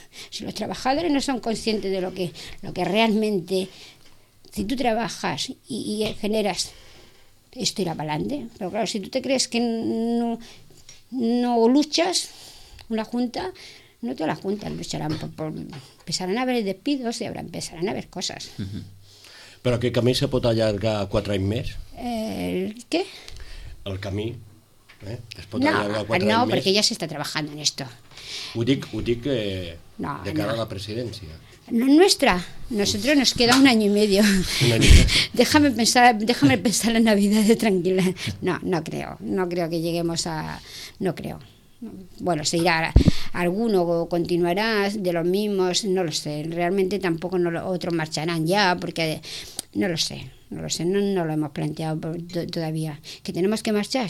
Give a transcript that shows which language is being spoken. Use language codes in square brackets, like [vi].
[es] Si los trabajadores no son conscientes de lo que realmente, si tú trabajas y generas, esto irá para adelante. Pero claro, si tú te crees que no luchas, una junta, no todas las juntas lucharán por empezarán a haber despidos y ahora empezarán a haber cosas. Uh-huh. ¿Pero qué [ca] camí se pot allargar 4 anys més? ¿El què? El camí. Es pot allargar 4 anys més? No, perquè ja s'està treballant en esto. Ho dic no, de cara no. A la presidència. [es] No, nuestra. Nosotros nos queda un año y medio. déjame pensar la Navidad de tranquila. No creo que lleguemos a... No creo. Bueno, se irá alguno o continuará de los mismos, no lo sé. Realmente tampoco otros marcharán ya, porque no lo sé, no lo hemos planteado todavía. ¿Que tenemos que marchar?